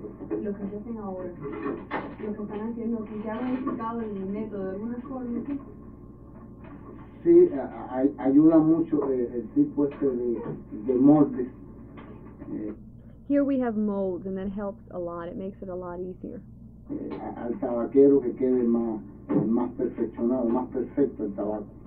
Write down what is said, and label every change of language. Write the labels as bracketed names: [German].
[Spanish] lo que se hacen ahora, lo que están haciendo, que ya han explicado el método de alguna forma. Sí, ayuda mucho el tipo este de moldes. [English] Here we have molds, and that helps a lot. It makes it a lot easier. [Spanish] Al tabaquero que quede más perfeccionado, más perfecto el tabaco.